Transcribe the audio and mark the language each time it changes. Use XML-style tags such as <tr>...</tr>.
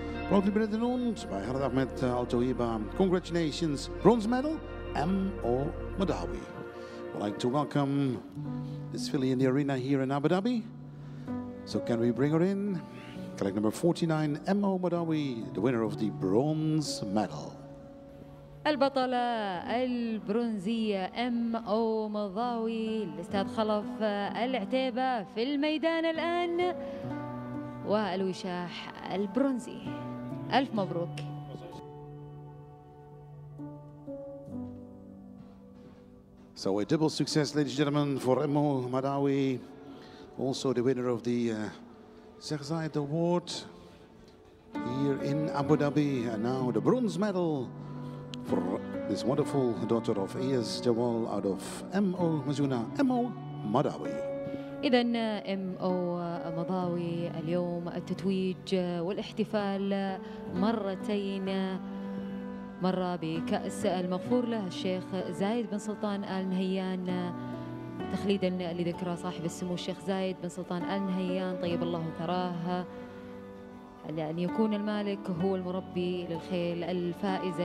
<en>Proudly presented by Harad Ahmed Altohiba. Congratulations, bronze medal, MO Madawi. We'd like to welcome this filly in the arena here in Abu Dhabi. So can we bring her in? Colour number 49, MO Madawi, the winner of the bronze medal.</en> <ar>البطلة البرونزية ام او مضاوي الاستاذ خلف العتيبة في الميدان الان والوشاح البرونزي. الف مبروك.</ar> <en>So a double success, ladies and gentlemen, for M O Madawi, also the winner of the Sheikh Zayed Award here in Abu Dhabi, and now the bronze medal for this wonderful daughter of ES Jawal out of MO Mazuna, MO Madawi.</en> <ar>إذن MO Madawi اليوم التتويج والاحتفال مرتين, مرة بكأس المغفور له الشيخ زايد بن سلطان آل نهيان تخليدا لذكرى صاحب السمو الشيخ زايد بن سلطان آل نهيان طيب الله ثراه, لأن يكون المالك هو المربي للخيل الفائزة.</ar>